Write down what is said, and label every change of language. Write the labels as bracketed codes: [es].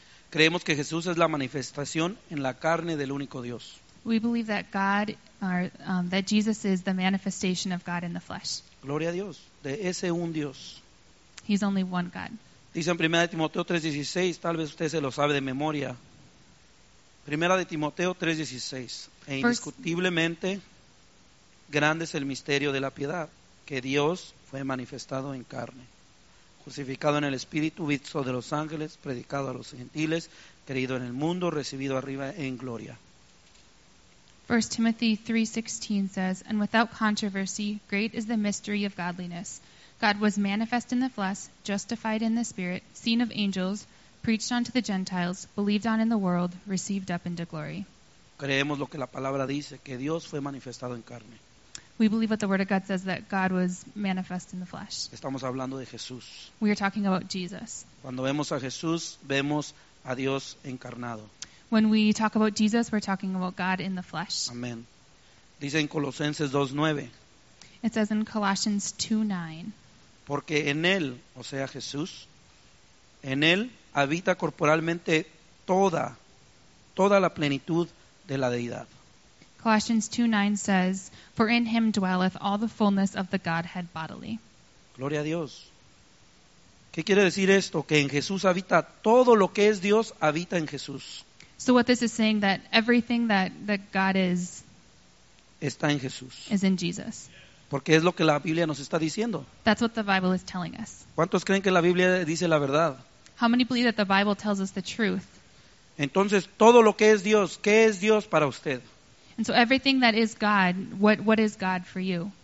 [es] Creemos que Jesús es la manifestación en la carne del único Dios. [en] We believe that God or that Jesus is the manifestation of God in the flesh. [es] Gloria a Dios, de ese un Dios. [en] He's only one God. [es] Dice en 1 Timoteo 3:16, tal vez usted se lo sabe de memoria. 1 de Timoteo 3:16. E indiscutiblemente grande es el misterio de la piedad, que Dios fue manifestado en carne, crucificado en el espíritu, visto de los ángeles, predicado a los gentiles, creído en el mundo, recibido arriba en gloria. [en] 1 Timothy 3:16 says, "And without controversy, great is the mystery of godliness. God was manifest in the flesh, justified in the spirit, seen of angels, preached unto the Gentiles, believed on in the world, received up into glory." [es] Creemos lo que la palabra dice, que Dios fue manifestado en carne. [en] We believe what the word of God says, that God was manifest in the flesh. [es] Estamos hablando de Jesús. [en] We are talking about Jesus. [es] Cuando vemos a Jesús, vemos a Dios encarnado. [en] When we talk about Jesus, we're talking about God in the flesh. [es] Amén. Dice en Colosenses 2:9. [en] It says in Colossians 2:9. [es] Porque en él, o sea Jesús, en él habita corporalmente toda la plenitud de la Deidad. [en] Colossians 2:9 says, "For in him dwelleth all the fullness of the Godhead bodily." [es] Gloria a Dios. ¿Qué quiere decir esto? Que en Jesús habita todo lo que es Dios, habita en Jesús. [en] So what this is saying, that everything that God is, [es] está en Jesús. [en] Is in Jesus. [es] Porque es lo que la Biblia nos está diciendo. [en] That's what the Bible is telling us. [es] ¿Cuántos creen que la Biblia dice la verdad? [en] How many believe that the Bible tells us the truth? [es] Entonces, todo lo que es Dios, ¿qué es Dios para usted? [en] And so everything that is God, what is God for you?